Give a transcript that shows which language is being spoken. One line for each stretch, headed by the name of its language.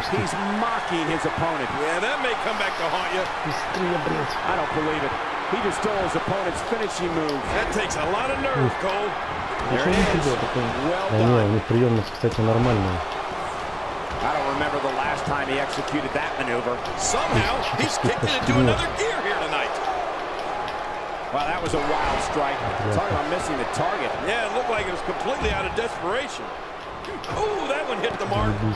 English: He's mocking his opponent. Yeah, that may come back to haunt you.
Russian: Быстрее, блядь.
English: I don't believe it. He just stole his opponent's finishing move. That takes a lot of nerve, Cole.
Russian: Еще не видел такой. Да не, у них приемность, кстати, нормальная.
English: I don't remember the last time he executed that maneuver. Somehow, he's kicking into another gear here tonight. Wow, that was a wild strike. Talking about missing the target. Yeah, it looked like it was completely out of desperation. Ooh, that one hit the mark.